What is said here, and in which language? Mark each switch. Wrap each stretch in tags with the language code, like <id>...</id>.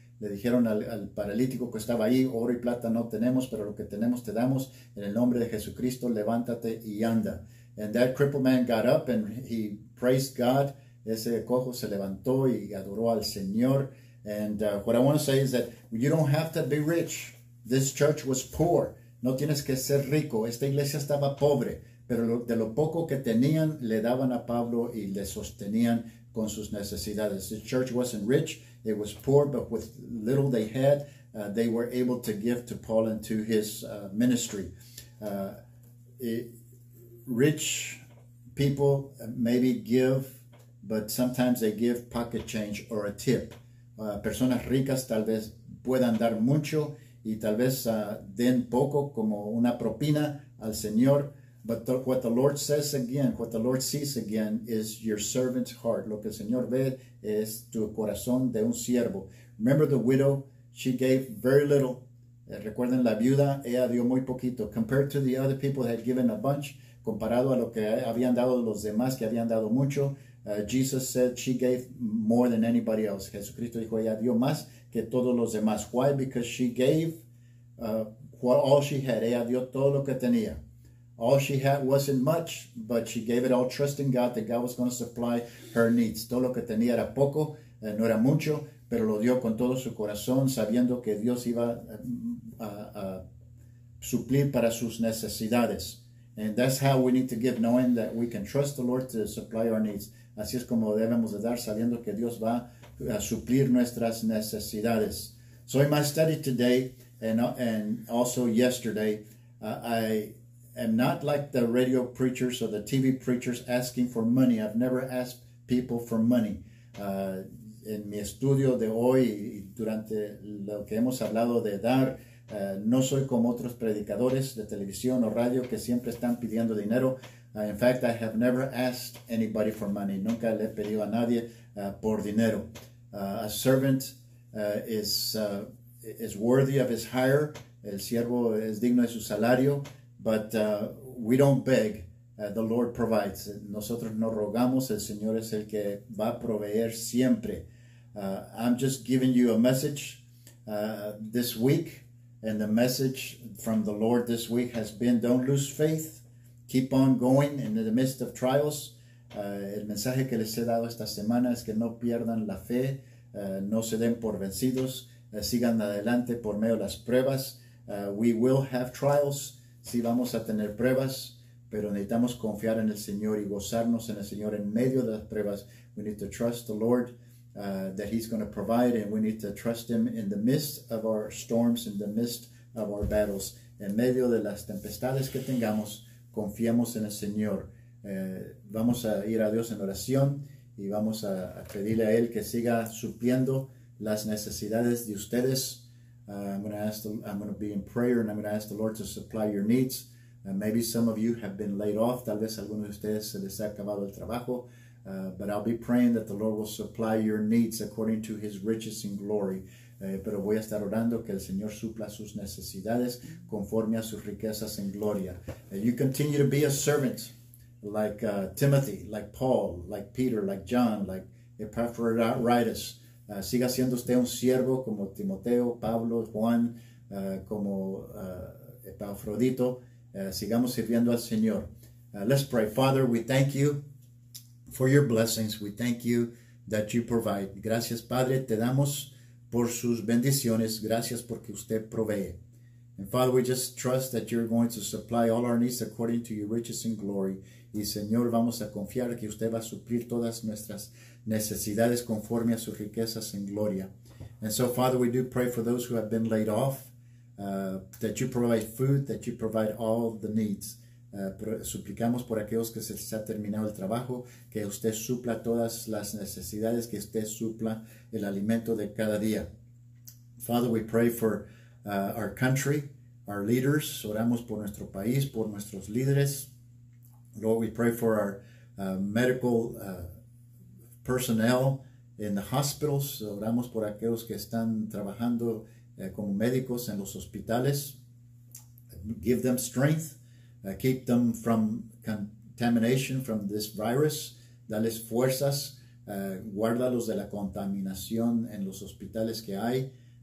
<es>Le dijeron al paralítico que estaba ahí, oro y plata no tenemos, pero lo que tenemos te damos. En el nombre de Jesucristo, levántate y anda.</es> <en>And that crippled man got up and he praised God.</en> <es>Ese cojo se levantó y adoró al Señor.</es> <en>And what I want to say is that you don't have to be rich. This church was poor.</en> <es>No tienes que ser rico. Esta iglesia estaba pobre. Pero de lo poco que tenían, le daban a Pablo y le sostenían con sus necesidades.</es> <en>The church wasn't rich. It was poor, but with little they had, they were able to give to Paul and to his ministry. Rich people maybe give, but sometimes they give pocket change or a tip.</en> <es>Personas ricas tal vez puedan dar mucho y tal vez den poco como una propina al Señor.</es> <en>But what the Lord says again, what the Lord sees again, is your servant's heart.</en> <es>Lo que el Señor ve es tu corazón de un siervo.</es> <en>Remember the widow? She gave very little.</en> <es>Recuerden la viuda, ella dio muy poquito.</es> <en>Compared to the other people that had given a bunch,</en> <es>comparado a lo que habían dado los demás que habían dado mucho,</es> <en>Jesus said she gave more than anybody else.</en> <es>Jesucristo dijo, ella dio más que todos los demás.</es> <en>Why? Because she gave all she had.</en> <es>Ella dio todo lo que tenía.</es> <en>All she had wasn't much, but she gave it all trusting God that God was going to supply her needs.</en> <es>Todo lo que tenía era poco, no era mucho, pero lo dio con todo su corazón, sabiendo que Dios iba a suplir para sus necesidades.</es> <en>And that's how we need to give, knowing that we can trust the Lord to supply our needs.</en> <es>Así es como debemos de dar, sabiendo que Dios va a suplir nuestras necesidades.</es> <en>So in my study today, and also yesterday, I'm not like the radio preachers or the TV preachers asking for money. I've never asked people for money.</en> <es>En mi estudio de hoy, durante lo que hemos hablado de dar, no soy como otros predicadores de televisión o radio que siempre están pidiendo dinero.</es> <en>In fact, I have never asked anybody for money.</en> <es>Nunca le he pedido a nadie por dinero.</es> <en>A servant is worthy of his hire.</en> <es>El siervo es digno de su salario.</es> <en>But we don't beg, the Lord provides.</en> <es>Nosotros no rogamos, el Señor es el que va a proveer siempre.</es> <en>I'm just giving you a message this week, and the message from the Lord this week has been, don't lose faith, keep on going in the midst of trials.</en> <es>El mensaje que les he dado esta semana es que no pierdan la fe, no se den por vencidos, sigan adelante por medio de las pruebas.</es> <en>We will have trials.</en> <es>Sí, vamos a tener pruebas, pero necesitamos confiar en el Señor y gozarnos en el Señor en medio de las pruebas.</es> <en>We need to trust the Lord that He's going to provide, and we need to trust Him in the midst of our storms, in the midst of our battles.</en> <es>En medio de las tempestades que tengamos, confiemos en el Señor. Vamos a ir a Dios en oración y vamos a pedirle a Él que siga supliendo las necesidades de ustedes.</es> <en>I'm going to be in prayer, and I'm going to ask the Lord to supply your needs. Maybe some of you have been laid off.</en> <es>Tal vez alguno de ustedes se les ha acabado el trabajo.</es> <en>But I'll be praying that the Lord will supply your needs according to His riches in glory.</en> <es>Pero voy a estar orando que el Señor supla sus necesidades conforme a sus riquezas en gloria.</es> <en>You continue to be a servant like Timothy, like Paul, like Peter, like John, like Epaphroditus.</en> <es>Siga siendo usted un siervo como Timoteo, Pablo, Juan, como Epafrodito. Sigamos sirviendo al Señor.</es> <en>Let's pray. Father, we thank you for your blessings. We thank you that you provide.</en> <es>Gracias, Padre. Te damos por sus bendiciones. Gracias porque usted provee.</es> <en>And Father, we just trust that you're going to supply all our needs according to your riches and glory.</en> <es>Y Señor, vamos a confiar que usted va a suplir todas nuestras necesidades conforme a sus riquezas en gloria.</es> <en>And so, Father, we do pray for those who have been laid off, that you provide food, that you provide all the needs.</en> <es>Suplicamos por aquellos que se les ha terminado el trabajo, que usted supla todas las necesidades, que usted supla el alimento de cada día.</es> <en>Father, we pray for our country, our leaders.</en> <es>Oramos por nuestro país, por nuestros líderes.</es> <en>Lord, we pray for our medical personnel in the hospitals.</en> <es>Oramos por aquellos que están trabajando como médicos en los hospitales.</es> <en>Give them strength. Keep them from contamination from this virus.</en> <es>Dales fuerzas. Guárdalos de la contaminación en los hospitales que hay.</es>